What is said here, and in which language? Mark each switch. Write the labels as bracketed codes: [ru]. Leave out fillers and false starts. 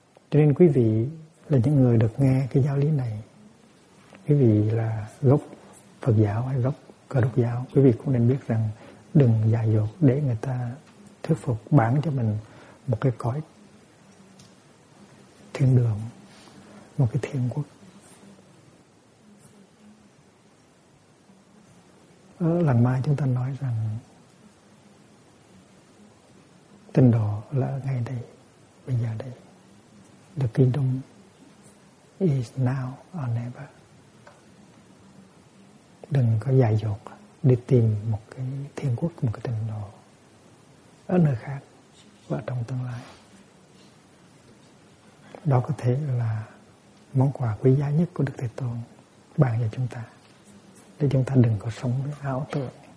[vi] Cho nên quý vị là những người được nghe cái giáo lý này, quý vị là gốc Phật giáo hay gốc Cơ Đốc giáo, quý vị cũng nên biết rằng đừng dại dột để người ta thuyết phục bán cho mình một cái cõi thiên đường, một cái thiên quốc. Ở Làng Mai chúng ta nói rằng tinh độ là ngay đây, bây giờ đây. [en] The kingdom is now or never. [vi] Đừng có dại dột đi tìm một cái thiên quốc, một cái tinh độ ở nơi khác và trong tương lai. Đó có thể là món quà quý giá nhất của Đức Thế Tôn ban cho chúng ta, để chúng ta đừng có sống với ảo tưởng.